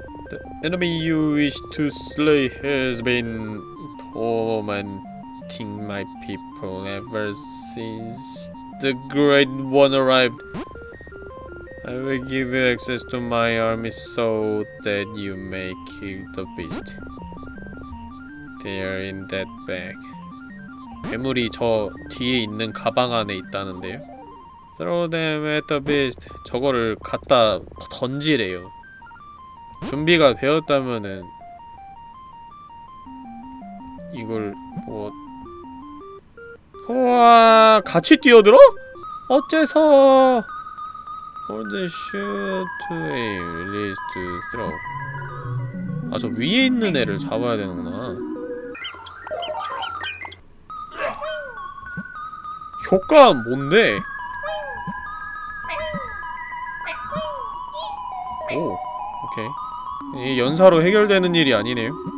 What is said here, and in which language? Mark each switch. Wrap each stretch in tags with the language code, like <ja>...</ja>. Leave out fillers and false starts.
<en>The enemy you wish to slay has been tormenting my people ever since the Great One arrived. I will give you access to my army so that you may kill the beast. They are in that bag.</en> <ko>괴물이 저 뒤에 있는 가방 안에 있다는데요?</ko> <en>Throw them at the beast.</en> <ko>저거를 갖다 던지래요. 준비가 되었다면은 이걸 뭐... 우와... 같이 뛰어들어? 어째서...</ko> <en>Hold the shoot to aim, release to throw.</en> <ko>아, 저 위에 있는 애를 잡아야 되는구나. 효과는 뭔데? 오, 오케이. 이 연사로 해결되는 일이 아니네요.</ko>